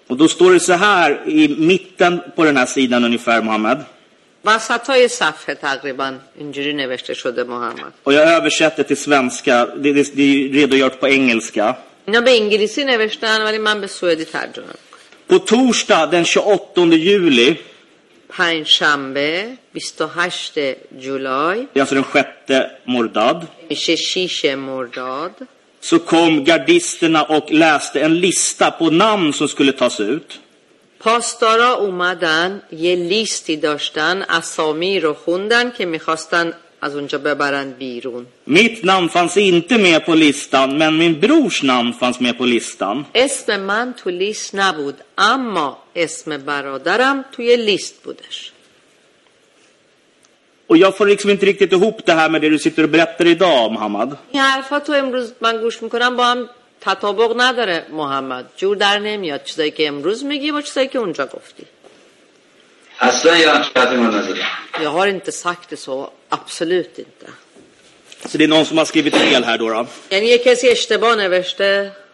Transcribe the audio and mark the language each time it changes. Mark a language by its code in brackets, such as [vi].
[sv] Och då står det så här i mitten på den här sidan ungefär, Mohammed. [fa] وسطای صفحه تقریبا اینجوری نوشته شده محمد. و یا [sv] översätter till svenska. Det är redogjort på engelska. [fa] Nej, به انگلیسی نوشتن ولی من به سوئدی ترجمه. [sv] På torsdag den 28 juli. [fa] پنجشنبه 28 juli. [sv] Det är alltså den sjätte mordad. Sjätte mordad. Så kom gardisterna och läste en lista på namn som skulle tas ut. [fa] پاسدارا اومدن یه لیستی داشتن اسامی رو خوندن که میخواستن از اونجا ببرند بیرون. [sv] Mitt namn fanns inte med på listan, men min brors namn fanns med på listan. [fa] اسم من تو لیست نبود، اما اسم برادرم توی لیست بودش. [sv] Och jag får liksom inte riktigt ihop det här med det du sitter och berättar idag, Mohammed. Ja, för att [fa] امروز من گوش میکنم با هم تطابق نداره محمد. جور در نمیاد چیزایی که امروز میگی با چیزایی که اونجا گفتی. اصلا یه چیزی من نظر. [sv] Jag har inte sagt det så, absolut inte. Så det är någon som har skrivit fel här då. [fa] یعنی یه کسی اشتباه نوشته.